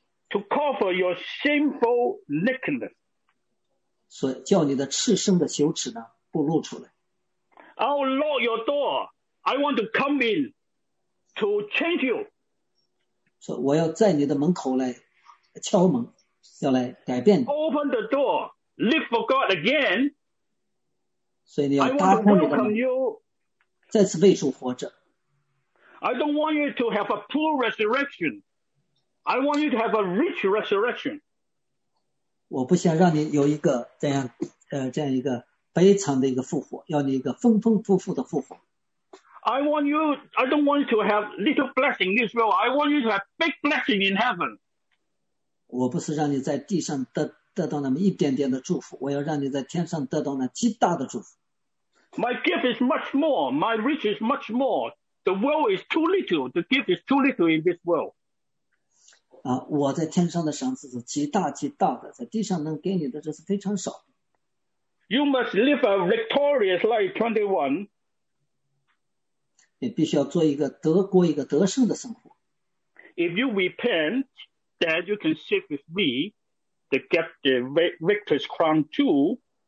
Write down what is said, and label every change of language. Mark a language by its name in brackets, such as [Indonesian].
[English] To cover your shameful nakedness. [Chinese] 所以叫你的赤身的羞耻呢，暴露出来。 [English] I'll lock your door. I want to come in to change you. [Chinese] 所以我要在你的门口来敲门。要来改变你。 [English] Open the door, live for God again. [Chinese] 所以你要打开你的门。再次为主活着。 [English] I don't want you to have a poor resurrection. I want you to have a rich resurrection. [Chinese] 我不想让你有一个这样，这样一个悲惨的一个复活，要你一个丰丰富富的复活。 [English] I want you. I don't want you to have little blessing in this world. I want you to have big blessing in heaven. [Chinese] 我不是让你在地上 得到那么一点点的祝福，我要让你在天上得到那极大的祝福。 [English] My gift is much more, my rich is much more. The world is too little, the gift is too little in this world. [Chinese] 啊，我在天上的赏赐是极大极大的，在地上能给你的这是非常少。 [English] You must live a victorious life, 21. [Chinese] 你必须要做一个得过一个得胜的生活。 [English] If you repent,That you can sit with me to get the victor's crown too.